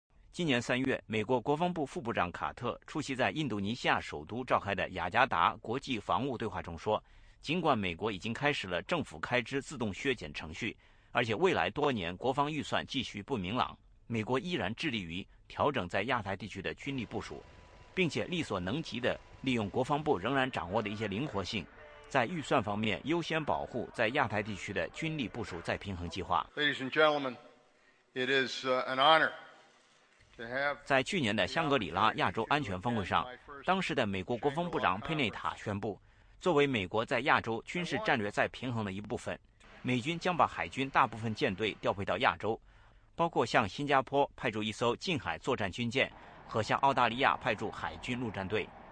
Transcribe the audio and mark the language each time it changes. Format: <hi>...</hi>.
<zh>今年三月，美国国防部副部长卡特出席在印度尼西亚首都召开的雅加达国际防务对话中说，尽管美国已经开始了政府开支自动削减程序，而且未来多年国防预算继续不明朗，美国依然致力于调整在亚太地区的军力部署，并且力所能及地利用国防部仍然掌握的一些灵活性，在预算方面优先保护在亚太地区的军力部署再平衡计划。</zh> <en>Ladies and gentlemen, it is an honor to have.</en> <zh>在去年的香格里拉亚洲安全峰会上，当时的美国国防部长佩内塔宣布，作为美国在亚洲军事战略再平衡的一部分，美军将把海军大部分舰队调配到亚洲，包括向新加坡派驻一艘近海作战军舰和向澳大利亚派驻海军陆战队。</zh>